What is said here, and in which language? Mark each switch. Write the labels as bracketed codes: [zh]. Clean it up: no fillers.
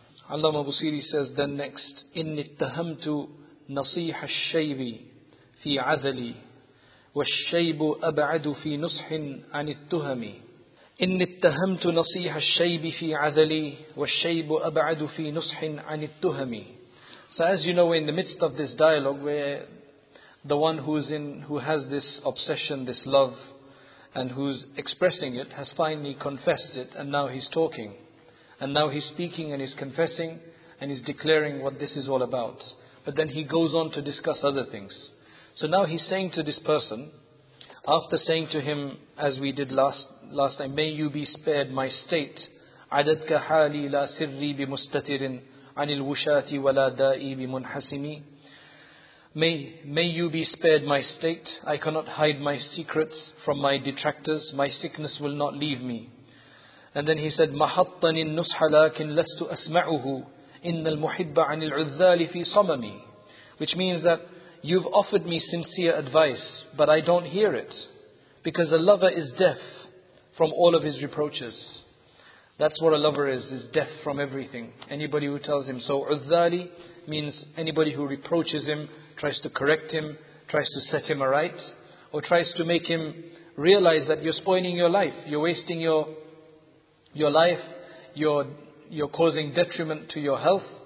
[ar] علامة بصيري [en] says then next, [ar] إن اتهمت نصيح الشيب في عذلي والشيب أبعد في نصح عن التهم. إن اتهمت نصيح الشيب في عذلي والشيب أبعد في نصح عن التهم. [en] So as you know, in the midst of this dialogue where the one who has this obsession, this love, and who's expressing it, has finally confessed it, and now he's talking. And now he's speaking and he's confessing, and he's declaring what this is all about. But then he goes on to discuss other things. So now he's saying to this person, after saying to him, as we did last time, may you be spared my state, [ar] عَدَدْكَ حَالِي لَا سِرِّي بِمُسْتَتِرٍ عَنِ الْوُشَاتِ وَلَا دَائِي بِمُنْحَسِمِي. [en] May you be spared my state. I cannot hide my secrets from my detractors. My sickness will not leave me. And then he said, [ar] مَحَطَّنِ النُّصْحَ لَكِنْ لَسْتُ أَسْمَعُهُ إِنَّ الْمُحِبَّ عَنِ الْعُذَّالِ فِي صَمَمِي. [en] Which means that you've offered me sincere advice, but I don't hear it. Because a lover is deaf from all of his reproaches. That's what a lover is deaf from everything. Anybody who tells him. So, عُذَّالِ means anybody who reproaches him, tries to correct him, tries to set him aright, or tries to make him realize that you're spoiling your life, you're wasting your life, you're causing detriment to your health.